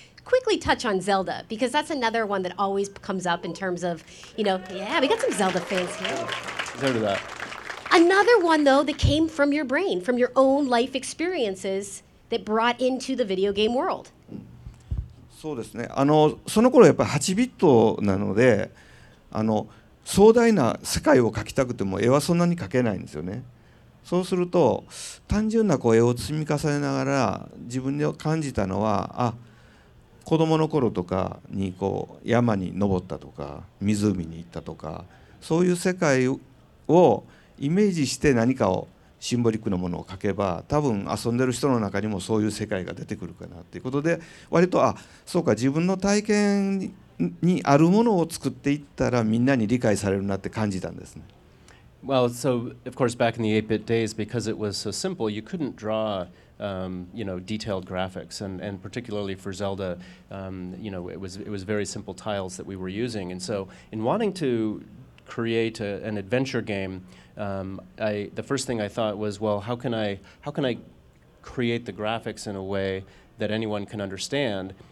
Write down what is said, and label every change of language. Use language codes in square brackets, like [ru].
[en] Quickly touch on Zelda because that's another one that always comes up in terms of, you know, yeah, we got some Zelda fans here. Heard of that. Another one though that came from your brain, from your own life experiences that brought into the video game world. [ja] そうですね。あのその頃やっぱり8ビットなので、あの壮大な世界を描きたくても絵はそんなに描けないんですよね。そうすると単純な声を積み重ねながら自分で感じたのは、あ、子供の頃とかにこう山に登ったとか湖に行ったとか、そういう世界をイメージして何かをシンボリックのものを書けば、多分遊んでる人の中にもそういう世界が出てくるかなっていうことで、割と、あ、そうか、自分の体験にあるものを作っていったらみんなに理解されるなって感じたんですね。 [en] Well, so of course back in the 8-bit days, because it was so simple, you couldn't draw, you know, detailed graphics, and particularly for Zelda, you know, it was very simple tiles that we were using. And so in wanting to create an adventure game, the first thing I thought was, well, how can I create the graphics in a way that anyone can understand?